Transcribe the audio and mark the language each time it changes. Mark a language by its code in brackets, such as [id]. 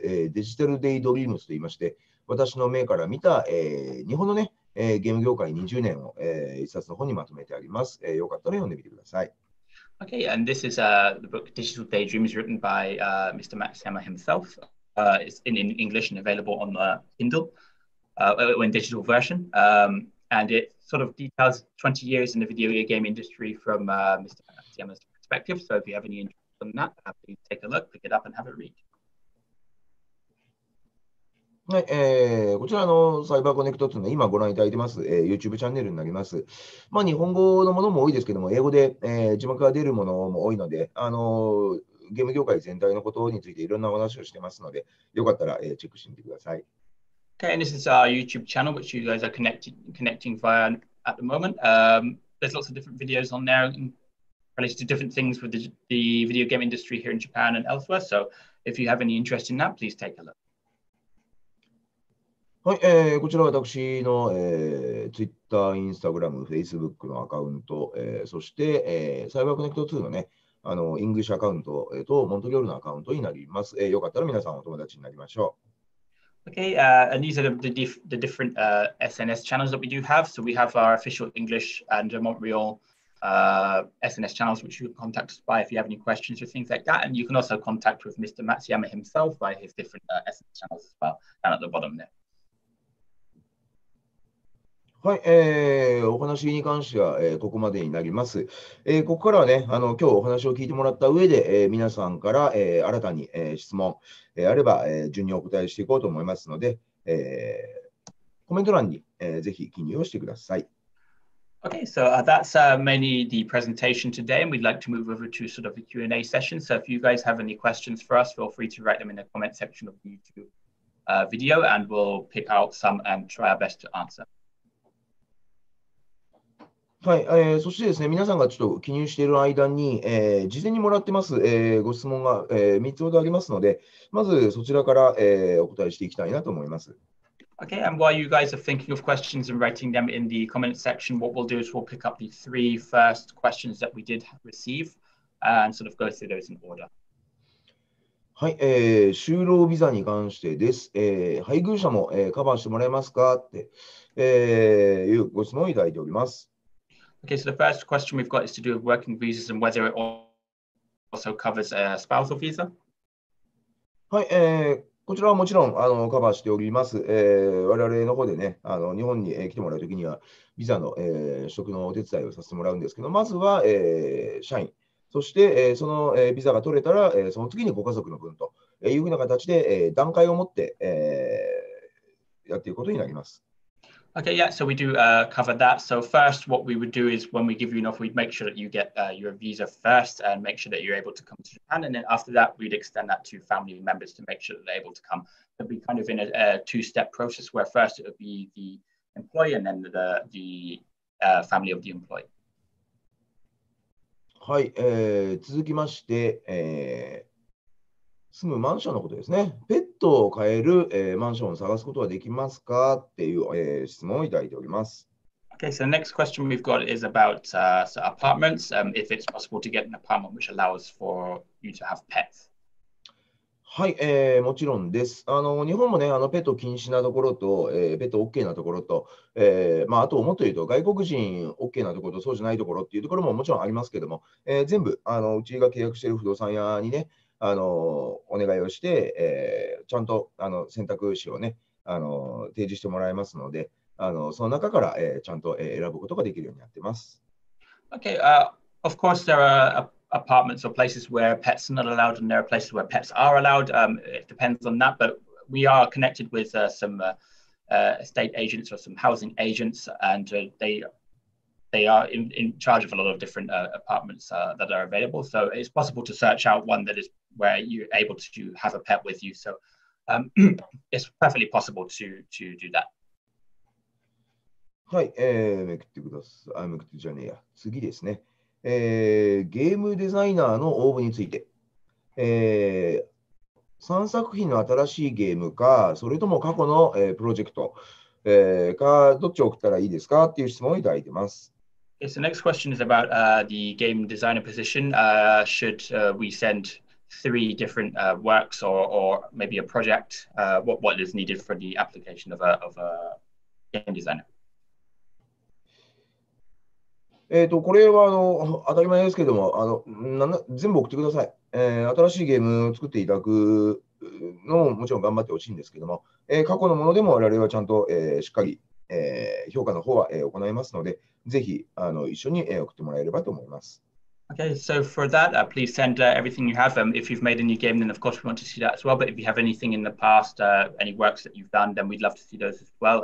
[ja] デジタルデイドリームスと言いまして、私の目から見た、日本のね、ゲーム業界20年を、一冊の本にまとめてあります。よかったら読んでみてください。 [en] Okay, and this is the book Digital Daydreams, written by Mr. Max Hammer himself. It's in English and available on the Kindle, in digital version. And it sort of details 20 years in the video game industry from Mr. Max Hammer's perspective. So if you have any interest in that, please take a look, pick it up, and have a read. [ja] はい、こちらのサイバーコネクトというのは今ご覧いただいてます、YouTube チャンネルになります。日本語のものも多いですけども、英語で、字幕が出るものも多いので、ゲーム業界全体のことについていろんなお話をしてますので、よかったら、チェックしてみてください。 [en] Okay, and this is our YouTube channel which you guys are connecting via at the moment. There's lots of different videos on there related to different things with the video game industry here in Japan and elsewhere. So if you have any interest in that, please take a look. [ja] はい、こちら私の、Twitter、Instagram、Facebook のアカウント、そして、サイバーコネクト2のね、イングリッシュアカウントと、モントリオールのアカウントになります。よかったら皆さんお友達になりましょう。 [en] Okay, and these are the different SNS channels that we do have. So we have our official English and Montreal SNS channels which you can contact us by if you have any questions or things like that. And you can also contact with Mr. Matsuyama himself by his different SNS channels as well, down at the bottom there. [ja] はい、お話に関しては、ここまでになります。ここからはね、今日お話を聞いてもらった上で、皆さんから、新たに、質問、あれば、順にお答えしていこうと思いますので、コメント欄に、ぜひ記入をしてください。 [en] Okay, so that's mainly the presentation today, and we'd like to move over to sort of a Q&A session. So if you guys have any questions for us, feel free to write them in the comment section of the YouTube video, and we'll pick out some and try our best to answer. [ja] はい、そしてですね、皆さんがちょっと記入している間に、事前にもらってます、ご質問が、3つほどありますので、まずそちらから、お答えしていきたいなと思います。 [en] Okay, and while you guys are thinking of questions and writing them in the comment section, what we'll do is we'll pick up the three first questions that we did receive and sort of go through those in order. [ja] はい、就労ビザに関してです。配偶者も、カバーしてもらえますかって、いうご質問をいただいております。 [en] Okay, so the first question we've got is to do with working visas and whether it also covers a spousal visa. [ja] はい、こちらはもちろん、カバーしております。我々の方でね、日本に、来てもらうときにはビザの、取得のお手伝いをさせてもらうんですけど、まずは、社員、そして、その、ビザが取れたら、その次にご家族の分と、いうふうな形で、段階を持って、やっていくことになります。 [en] Okay, yeah, so we do cover that. So first, what we would do is when we give you an offer, we'd make sure that you get your visa first and make sure that you're able to come to Japan. And then after that, we'd extend that to family members to make sure that they're able to come. It'd be kind of in a two-step process where first it would be the employee and then the family of the employee. [ja] はい、続きまして、住むマンションのことですね。ペットを飼える、マンションを探すことはできますかっていう、質問をいただいております。 [en] Okay, so the next question we've got is about apartments. If it's possible to get an apartment which allows for you to have pets. [ja] はい、もちろんです。日本もね、ペット禁止なところと、ペット OK なところと、まあ、あと、もっと言うと、外国人 OK なところと、そうじゃないところっていうところももちろんありますけども、全部、うちが契約している不動産屋にね、お願いをして、ちゃんと選択肢をね、提示してもらえますので、その中から、ちゃんと、選ぶことができるようになってます。 [en] Okay, of course, there are apartments or places where pets are not allowed, and there are places where pets are allowed. It depends on that, but we are connected with some estate agents or some housing agents, and they are in charge of a lot of different apartments that are available. So it's possible to search out one that is where you're able to have a pet with you. So it's perfectly possible to do that. [ja] はい、めくってください。めくってじゃねえや。次ですね、ゲームデザイナーの応募について、3作品の新しいゲームか、それとも過去の、プロジェクト、か、どっち送ったらいいですかっていう質問をいただいてます。 [en] Okay, so next question is about the game designer position. Should we send three different works or maybe a project? What is needed for the application of a game designer? [ja] これは当たり前ですけども、全部送ってください、新しいゲームを作っていただくのももちろん頑張ってほしいんですけども、過去のものでも我々はちゃんと、しっかり、評価の方は、行いますので、ぜひ一緒に、送ってもらえればと思います。 [en] Okay, so for that, please send everything you have. If you've made a new game, then of course we want to see that as well. But if you have anything in the past, any works that you've done, then we'd love to see those as well.